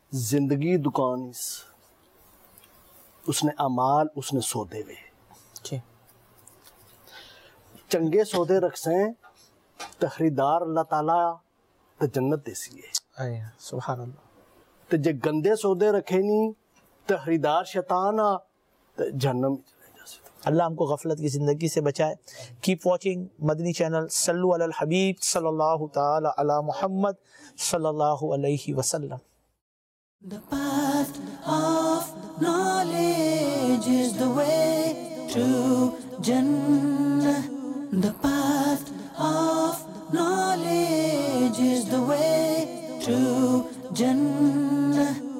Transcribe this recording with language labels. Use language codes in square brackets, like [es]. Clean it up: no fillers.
[pa] زندگی دکان اس اس نے اعمال اس نے سودے وے جی چنگے سودے رکھسیں تے خریدار اللہ تعالی تے جنت دسی اے [ar] سبحان اللہ [pa] تے جے گندے سودے رکھے نی تے خریدار شیطان تے جہنم وچ لے جاسے [ur] اللہ ہم کو غفلت کی زندگی سے بچائے [en] keep watching [ur] مدنی چینل [ar] صلوا علی الحبیب صلی اللہ تعالی علی محمد صلی اللہ علیہ وسلم [en] The path of knowledge is the way to Jannah. The path of knowledge is the way to Jannah.